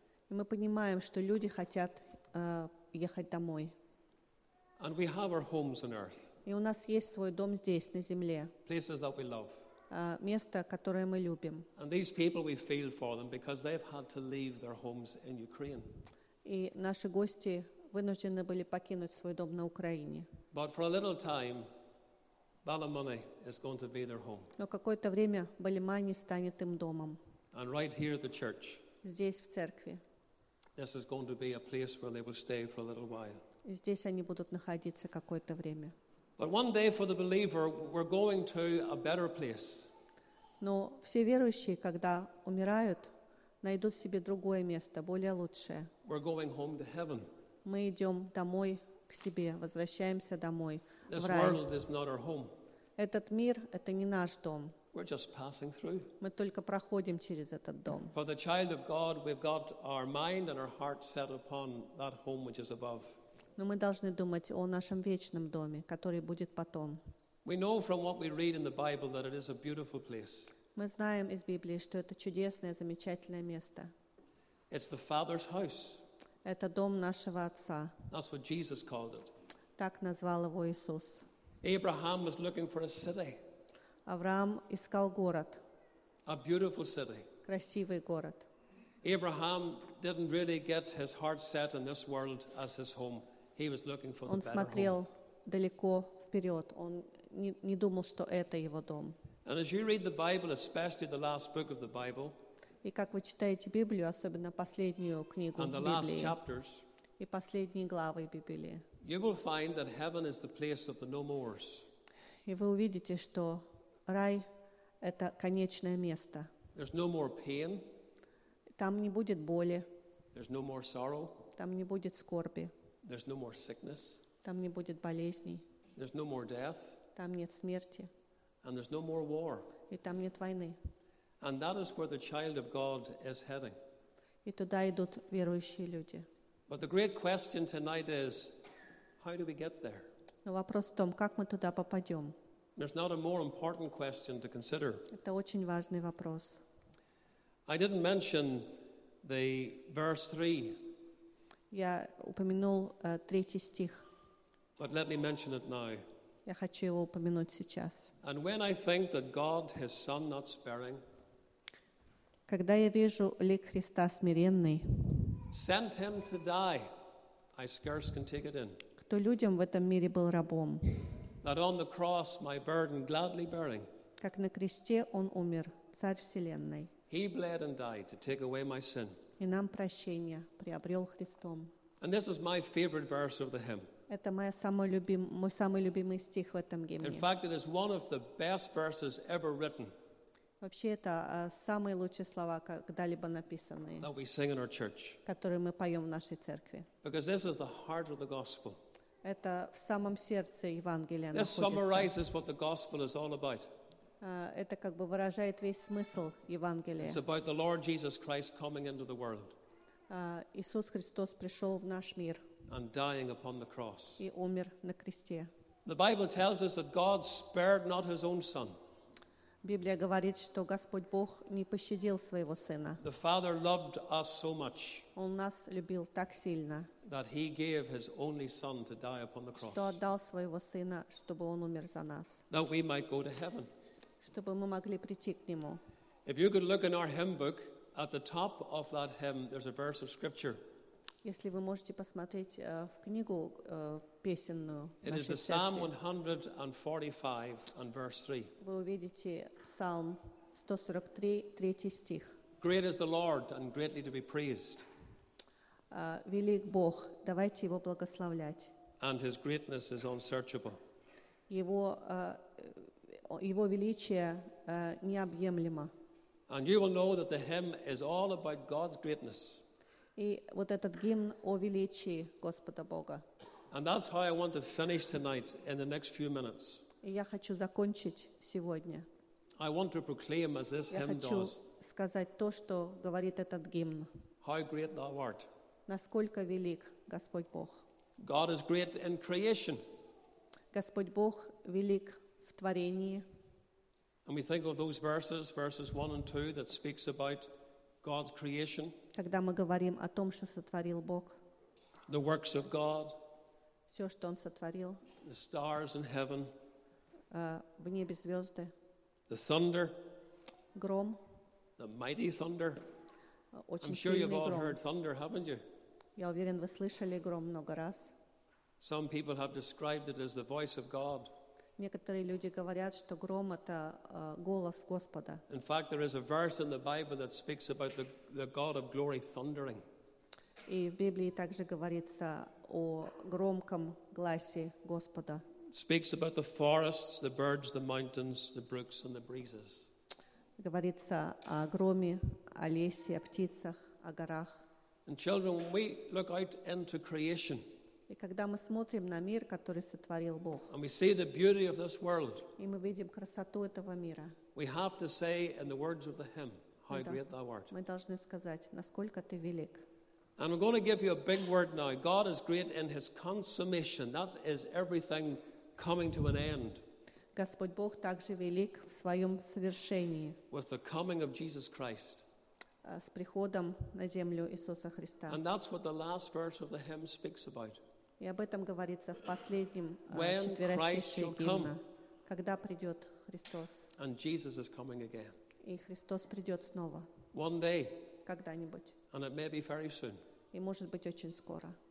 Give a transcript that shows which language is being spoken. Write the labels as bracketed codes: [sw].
[ru] И мы понимаем, что люди хотят ехать домой. [en] And we have our homes on earth. [ru] И у нас есть свой дом здесь, на земле. [en] Places that we love. [ru] Место, которое мы любим. [en] And these people, we feel for them because they've had to leave their homes in Ukraine. [ru] И наши гости вынуждены были покинуть свой дом на Украине. [en] But for a little time, Balamani is going to be their home. [ru] Но какое-то время Балимани станет им домом. [en] And right here at the church. [ru] Здесь в церкви. [en] This is going to be a place where they will stay for a little while. [ru] И здесь они будут находиться какое-то время. [en] But one day for the believer, we're going to a better place. [ru] Но все верующие, когда умирают, найдут себе другое место, более лучшее. [en] We're going home to heaven. [ru] Мы идем домой к себе, возвращаемся домой, [en] This [ru] в рай. [en] World is not our home. [ru] Этот мир — это не наш дом. [en] We're just passing through. [ru] Мы только проходим через этот дом. [en] For the child of God, we've got our mind and our heart set upon that home which is above. [ru] Но мы должны думать о нашем вечном доме, который будет потом. Мы знаем из Библии, что это чудесное, замечательное место. [en] It's the Father's house. [ru] Это дом нашего Отца. [en] That's what Jesus called it. [ru] Так назвал его Иисус. [en] Abraham was looking for a city. [ru] Авраам искал город. [en] A beautiful city. [ru] Красивый город. [en] Abraham didn't really get his heart set in this world as his home. He was looking for [ru] Он смотрел далеко вперед. Он не думал, что это его дом. [en] And as you read the Bible, especially the last book of the Bible, [ru] и как вы читаете Библию, особенно последнюю книгу [en] and the [ru] Библии, [en] last chapters, [ru] и последние главы Библии, [en] you will find that heaven is the place of the no mores. [ru] И вы увидите, что рай — это конечное место. [en] There's no more pain. [ru] Там не будет боли. [en] There's no more sorrow. [ru] Там не будет скорби. [en] There's no more sickness. [ru] Там не будет болезней. [en] There's no more death. [ru] Там нет смерти. [en] And there's no more war. [ru] И там нет войны. [en] And that is where the child of God is heading. [ru] И туда идут верующие люди. [en] But the great question tonight is, how do we get there? [ru] Но вопрос в том, как мы туда попадем? [en] There's not a more important question to consider. [ru] Это очень важный вопрос. [en] I didn't mention the verse 3. [ru] Я упомянул третий стих. [en] But let me mention it now. [ru] Я хочу его упомянуть сейчас. [en] And when I think that God, His Son, not sparing, [ru] когда я вижу лик Христа смиренный, [en] sent Him to die, I scarce can take it in. [ru] Кто людям в этом мире был рабом, [en] that on the cross my burden gladly bearing, [ru] как на кресте Он умер, Царь Вселенной, [en] He bled and died to take away my sin. [ru] И нам прощение приобрел Христом. [en] And this is my favorite verse of the hymn. [ru] Это мой самый любимый стих в этом гимне. [en] In fact, it is one of the best verses ever written. [ru] Вообще, это самые лучшие слова, когда-либо написанные. [en] That we sing in our church. [ru] Которые мы поем в нашей церкви. [en] Because this is the heart of the gospel. [ru] Это в самом сердце Евангелия [en] This [ru] находится. [en] Summarizes what the gospel is all about. [ru] Это как бы выражает весь смысл Евангелия. [en] It's about the Lord Jesus Christ coming into the world. [ru] Иисус Христос пришел в наш мир. [en] And dying upon the cross. [ru] И умер на кресте. [en] The Bible tells us that God spared not His own Son. [ru] Библия говорит, что Господь Бог не пощадил своего Сына. [en] The Father loved us so much. [ru] Он нас любил так сильно. [en] That He gave His only Son to die upon the cross. [ru] Что отдал своего Сына, чтобы Он умер за нас. [en] That we might go to heaven. [ru] Чтобы мы могли прийти к Нему. [en] If you could look in our hymn book, at the top of that hymn, there's a verse of Scripture. [ru] Если вы можете посмотреть в книгу песенную нашей церкви. [en] It is the Psalm 145 and verse 3. [ru] Вы увидите Псалм 143, третий стих. [en] Great is the Lord and greatly to be praised. [ru] Велик Бог, давайте его благословлять. [en] And his greatness is unsearchable. [ru] Его величие необъемлемо. [en] And you will know that the hymn is all about God's greatness. [ru] И вот этот гимн о величии Господа Бога. [en] And that's how I want to finish tonight in the next few minutes. [ru] Я хочу закончить сегодня. [en] I want to proclaim as this hymn does. [ru] Я хочу сказать то, что говорит этот гимн. [en] How great thou art. [ru] Насколько велик Господь Бог. [en] God is great in creation. [ru] Господь Бог велик в творении. [en] And we think of those verses, verses 1 and 2, that speaks about God's creation. [ru] Когда мы говорим о том, что сотворил Бог. [en] The works of God. [ru] Все, что Он сотворил. [en] The stars in heaven. [ru] В небе звезды. [en] The thunder. [ru] Гром. [en] The mighty thunder. [ru] Очень [en] I'm sure you've all [ru] гром. [en] Heard thunder, haven't you? [ru] Я уверен, вы слышали гром много раз. [en] Some people have described it as the voice of God. [ru] Некоторые люди говорят, что гром — это голос Господа. [en] In fact, there is a verse in the Bible that speaks about the God of glory thundering. [ru] И в Библии также говорится о громком гласе Господа. [en] It speaks about the forests, the birds, the mountains, the brooks, and the breezes. [ru] Говорится о громе, о лесе, о птицах, о горах. [en] And children, when we look out into creation, [ru] и когда мы смотрим на мир, который сотворил Бог, [en] and we see the beauty of this world, [ru] и мы видим красоту этого мира, [en] we have to say in the words of the hymn, how great thou art. [ru] Мы должны сказать, насколько ты велик. [en] And I'm going to give you a big word now. God is great in his consummation. That is everything coming to an end. [ru] Господь Бог также велик в своем совершении. [en] With the coming of Jesus Christ. [ru] С приходом на землю Иисуса Христа. [en] And that's what the last verse of the hymn speaks about. [ru] И об этом говорится в последнем четверостише гимна. Когда придет Христос. [en] And Jesus is coming again. [ru] И Христос придет снова. [en] One day. [ru] Когда-нибудь. [en] And it may be very soon. [ru] И может быть очень скоро.